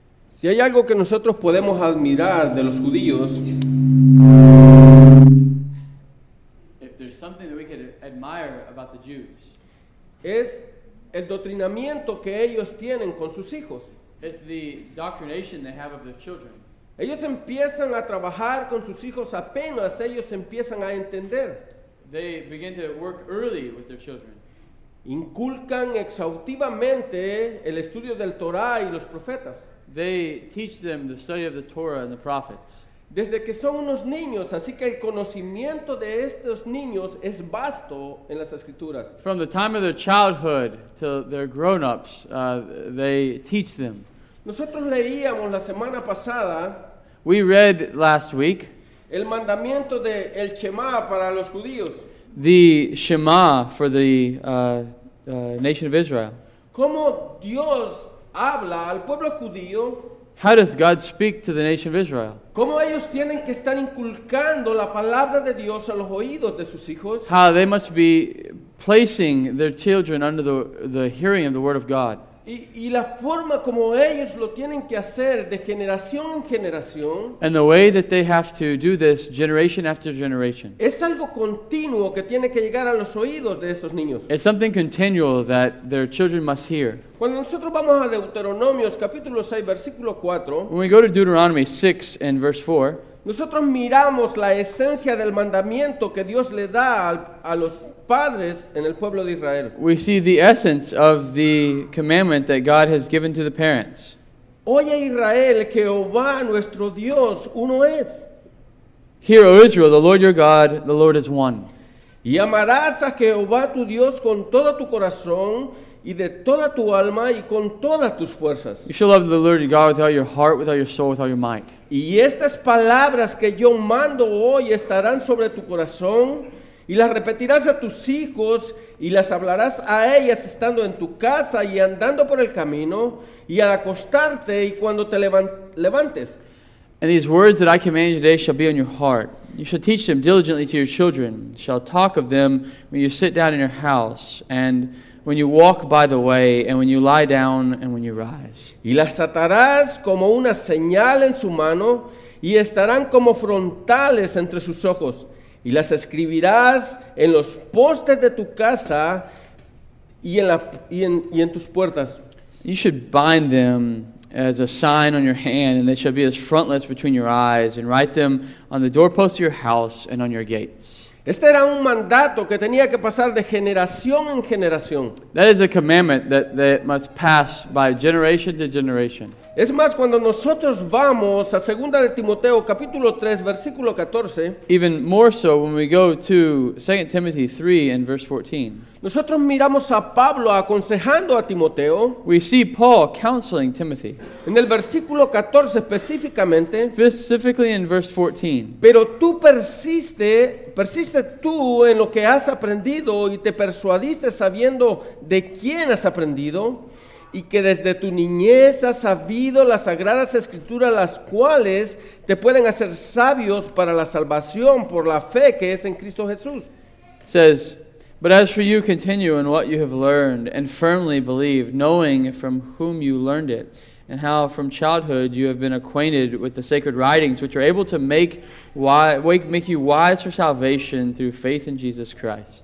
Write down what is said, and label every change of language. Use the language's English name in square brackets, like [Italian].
[Spanish] Si hay algo que nosotros podemos admirar de los judíos, [English] if there's something that we could admire about the Jews, [Spanish] es el doctrinamiento que ellos tienen con sus hijos. [English] It's the doctrination they have of their children. [Spanish] Ellos empiezan a trabajar con sus hijos apenas ellos empiezan a entender. [English] They begin to work early with their children. [Spanish] Inculcan exhaustivamente el estudio del Torah y los profetas. [English] They teach them the study of the Torah and the prophets. [Spanish] Desde que son unos niños, así que el conocimiento de estos niños es vasto en las escrituras. [English] From the time of their childhood till their grown-ups, they teach them. [Spanish] Nosotros leíamos la semana pasada. [English] We read last week. [Spanish] El mandamiento de el Shema para los judíos. [English] The Shema for the nation of Israel. [Spanish] ¿Cómo Dios habla al pueblo judío? [English] How does God speak to the nation of Israel? [Spanish] ¿Cómo ellos tienen que estar inculcando la palabra de Dios a los oídos de sus hijos? [English] How they must be placing their children under the hearing of the word of God. [Spanish] Y la forma como ellos lo tienen que hacer de generación en generación. [English] And the way that they have to do this generation after generation. [Spanish] Es algo continuo que tiene que llegar a los oídos de estos niños. [English] It's something continual that their children must hear. [Spanish] Cuando nosotros vamos a Deuteronomios capítulo 6 versículo 4. [English] When we go to Deuteronomy 6 and verse 4. [Spanish] Nosotros miramos la esencia del mandamiento que Dios le da a los padres en el pueblo de Israel. [English] We see the essence of the commandment that God has given to the parents. [Spanish] Oye Israel, que Jehová nuestro Dios uno es. [English] Hear, O Israel, the Lord your God, the Lord is one. [Spanish] Y amarás a Jehová tu Dios con todo tu corazón y de toda tu alma y con todas tus fuerzas. [English] You shall love the Lord your God with all your heart, with all your soul, with all your might. [Spanish] Y estas palabras que yo mando hoy estarán sobre tu corazón y las repetirás a tus hijos y las hablarás a ellas estando en tu casa y andando por el camino y al acostarte y cuando te levantes. [English] And these words that I command you today shall be on your heart. You shall teach them diligently to your children. You shall talk of them when you sit down in your house and when you walk by the way, and when you lie down, and when you rise. [Spanish] Y las atarás como una señal en su mano, y estarán como frontales entre sus ojos. Y las escribirás en los postes de tu casa, y en tus puertas. [English] You should bind them as a sign on your hand, and they shall be as frontlets between your eyes, and write them on the doorposts of your house and on your gates. [Spanish] Este era un mandato que tenía que pasar de generación en generación. [English] That is a commandment that must pass by generation to generation. [Spanish] Es más, cuando nosotros vamos a 2 de Timoteo, capítulo 3, versículo 14. [English] Even more so when we go to 2 Timothy 3 and verse 14. [Spanish] Nosotros miramos a Pablo aconsejando a Timoteo. [English] We see Paul counseling Timothy. [Spanish] En el versículo 14 específicamente. [English] Specifically in verse 14. [Spanish] Pero tú persiste tú en lo que has aprendido y te persuadiste sabiendo de quién has aprendido. Y que desde tu niñez has sabido las sagradas escrituras, las cuales te pueden hacer sabios para la salvación por la fe que es en Cristo Jesús. [English] It says, but as for you, continue in what you have learned and firmly believe, knowing from whom you learned it, and how from childhood you have been acquainted with the sacred writings, which are able to make you wise for salvation through faith in Jesus Christ.